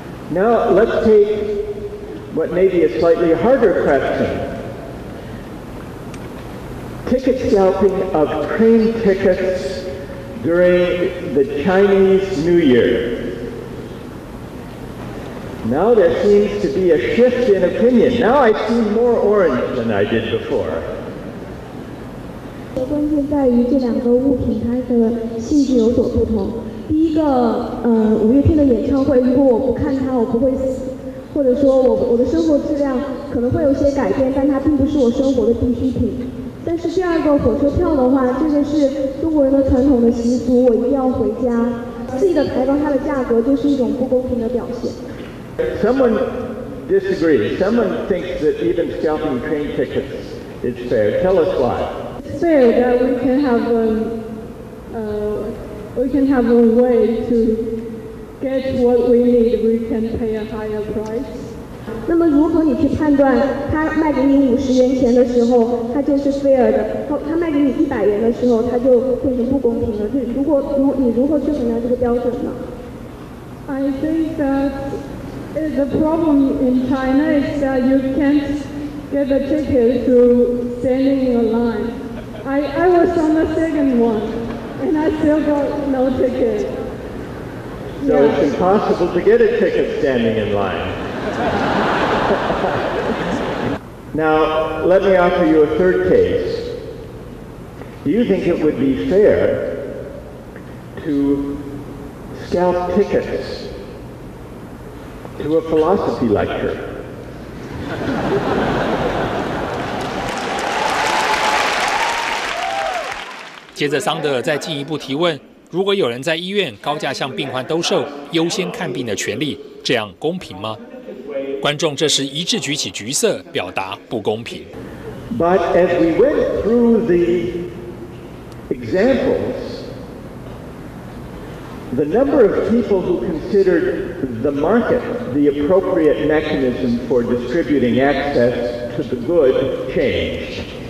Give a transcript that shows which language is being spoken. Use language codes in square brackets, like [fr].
[en] Now, let's take... What may be a slightly harder question. Ticket scalping of train tickets during the Chinese New Year. Now there seems to be a shift in opinion. Now I see more orange than I did before. [zh] 关键在于这两个物品它的性质有所不同。第一个，五月天的演唱会，如果我不看它，我不会死，或者说我的生活质量可能会有些改变，但它并不是我生活的必需品。但是第二个火车票的话，这个是中国人的传统的习俗，我一定要回家。自己的台湾它的价格就是一种不公平的表现。 [en] Someone disagrees. Someone thinks that even scalping train tickets is fair. Tell us why. Fair that we can have a way to get what we need. We can pay a higher price. [zh] 那么如何你去判断他卖给你50元钱的时候，他就是 fair 的？他卖给你100元的时候，他就变成不公平了。你如何去衡量这个标准呢 [en] ？I think that. The problem in China is that you can't get a ticket through standing in a line. I was on the second one, and I still got no ticket. So yeah. It's impossible to get a ticket standing in line. Now, let me offer you a third case. Do you think it would be fair to scalp tickets? To a philosophy lecture. After that, [zh] 桑德爾再进一步提问：如果有人在医院高价向病患兜售优先看病的权利，这样公平吗？观众这时一致举起橘色，表达不公平。 [en] But as we went through the examples, the number of people who consideredThe market, the appropriate mechanism for distributing access to the good, changed.